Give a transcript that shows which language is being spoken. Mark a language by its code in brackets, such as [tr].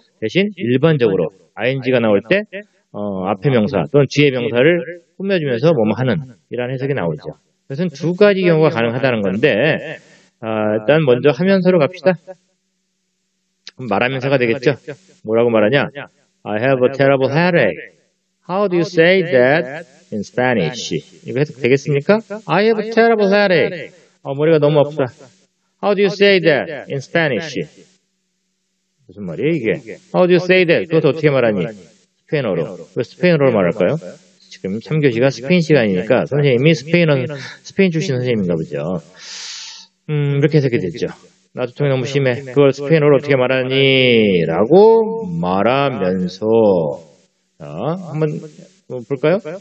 [ko] 대신 일반적으로 ing가 나올 때 앞에 명사 또는 뒤에 명사를 꾸며주면서 뭐뭐 하는 이런 해석이 나오죠. 그래서 두 가지 경우가 가능하다는 건데 일단 먼저 하면서로 갑시다. 그럼 말하면서가 되겠죠. 뭐라고 말하냐? [en] I have a terrible headache. How do you say that in Spanish? [ko] 이거 해석 되겠습니까? [en] I have a terrible headache. [ko] 머리가 너무 아프다. [en] How do you say that in Spanish? [ko] 무슨 말이에요, 이게? [en] How do you say that? [ko] 그것도 어떻게 말하니? 스페인어로. 왜 스페인어로 말할까요? 지금 3교시가 스페인 시간이니까 선생님이 스페인 출신 선생님인가 보죠. 이렇게 해석이 됐죠. 나 두통이 너무 심해. 그걸 스페인어로 어떻게 말하니? 라고 말하면서 한번 볼까요?